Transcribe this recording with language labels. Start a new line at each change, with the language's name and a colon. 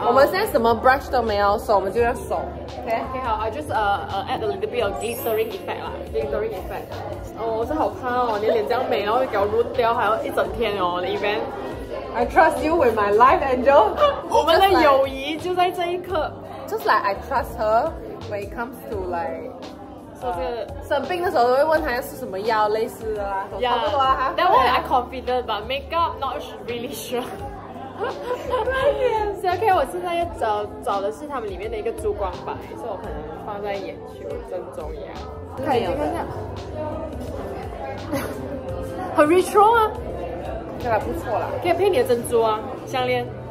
Chinese: 我们现在什么 brush 都没有，所以我们就要手。
English: OK， 好， I just add a little bit of glittering effect 啦， glittering effect。
Chinese: 哦，这好怕哦，你脸这样美，然后给我 root 掉，还要一整天哦， event。
English: I trust you with my life, Angel 。
Chinese: 我们的友谊就在这一刻。
English: Just like I trust her when it comes to like。 So,
Chinese: 生病的时候都会问他要吃什么药类似的啦，
English: yeah,
Chinese: 差不多啊。
English: That one I confident, but makeup not really sure.
Chinese: 快点！所以 OK， 我现在要找的是他们里面的一个珠光白，所以我可能放在眼球正中央。看有没有？很 retro 啊，看来不错啦，可以配你的珍珠啊，项链。